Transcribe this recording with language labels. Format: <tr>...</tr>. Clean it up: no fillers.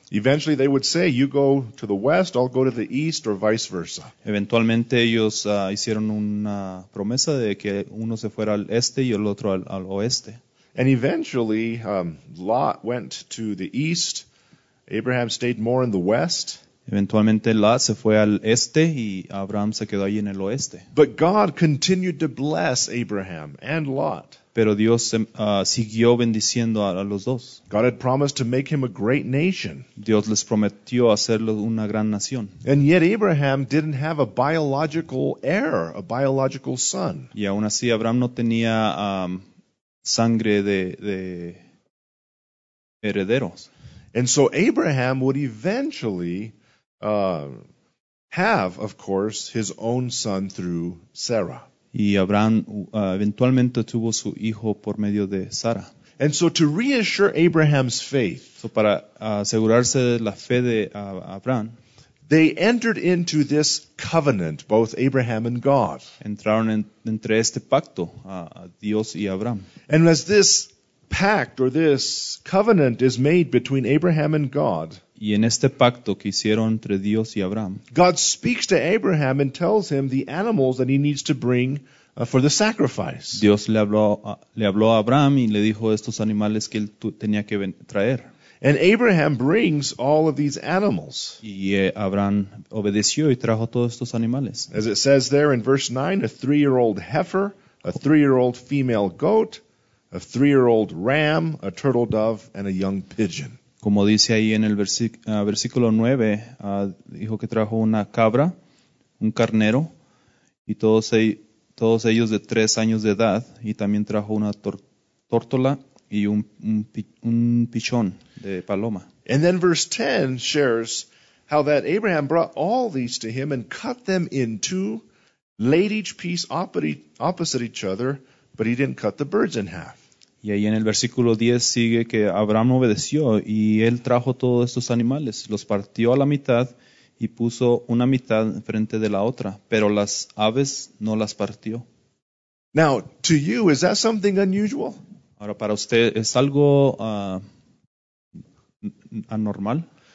<en>Eventually they would say, you go to the west, I'll go to the east, or vice versa.</en> <es>Eventualmente ellos hicieron una promesa de que uno se fuera al este y el otro al oeste.</es> <en>And eventually, Lot went to the east. Abraham stayed more in the west.</en> <es>Eventualmente, Lot se fue al este y Abraham se quedó allí en el oeste.</es> <en>But God continued to bless Abraham and Lot.</en> <es>Pero Dios siguió bendiciendo a los dos.</es> <en>God had promised to make him a great nation.</en> <es>Dios les prometió hacerlo una gran nación.</es> <en>And yet Abraham didn't have a biological heir, a biological son.</en> <es>Y aún así, Abraham no tenía sangre de herederos.</es> <en>And so Abraham would eventually have, of course, his own son through Sarah.</en> <es>Y Abraham eventualmente tuvo su hijo por medio de Sara.</es> <en>And so to reassure Abraham's faith,</en> <es>so para asegurarse de la fe de Abraham,</es> <en>they entered into this covenant, both Abraham and God.</en> <es>Entraron entre este pacto, Dios y Abraham.</es> <en>And as this pact or this covenant is made between Abraham and God,</en> <es>y en este pacto que hicieron entre Dios y Abraham,</es> <en>God speaks to Abraham and tells him the animals that he needs to bring for the sacrifice.</en> <es>Dios le habló a Abraham y le dijo estos animales que él tenía que traer.</es> <en>And Abraham brings all of these animals.</en> <es>Y Abraham obedeció y trajo todos estos animales.</es> <en>As it says there in verse 9, a three-year-old heifer, a three-year-old female goat, a three-year-old ram, a turtle dove, and a young pigeon.</en> <es>Como dice ahí en el versículo 9, dijo que trajo una cabra, un carnero, y todos ellos de 3 años de edad, y también trajo una tórtola y un pichón de paloma.</es> <en>And then verse 10 shares how that Abraham brought all these to him and cut them in two, laid each piece opposite each other, but he didn't cut the birds in half.</en> <es>Y ahí en el versículo 10 sigue que Abraham obedeció y él trajo todos estos animales, los partió a la mitad y puso una mitad frente de la otra, pero las aves no las partió.</es> <en>Now, to you, is that something unusual?</en> <es>Ahora, para usted, ¿es algo anormal?</es>